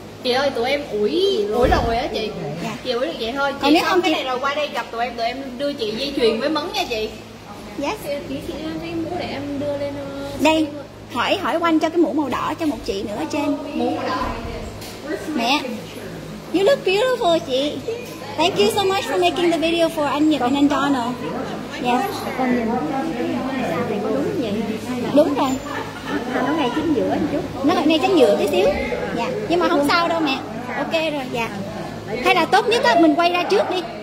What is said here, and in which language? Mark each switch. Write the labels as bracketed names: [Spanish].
[Vietnamese] Chị ơi, tụi em ủi ủi rồi á chị. Dạ. Chị ủi được vậy thôi. Chị xong cái này rồi qua đây gặp tụi em đưa chị dây chuyền với mấn nha chị. [English] Yes. [Vietnamese] Cái mũ để em đưa lên đây, hỏi quanh cho cái mũ màu đỏ cho một chị nữa trên. Mũ màu đỏ. [English] Mẹ. You look beautiful, chị. Thank you so much for making the video for anh Nhật and Donald. Yes. [Vietnamese] Con nhìn nó đúng vậy. Đúng rồi. Nó ngay chính giữa một chút. Nó ngay chính giữa tí xíu. Dạ. Nhưng mà không sao đâu mẹ. Ok rồi, dạ. Hay là tốt nhất á mình quay ra trước đi.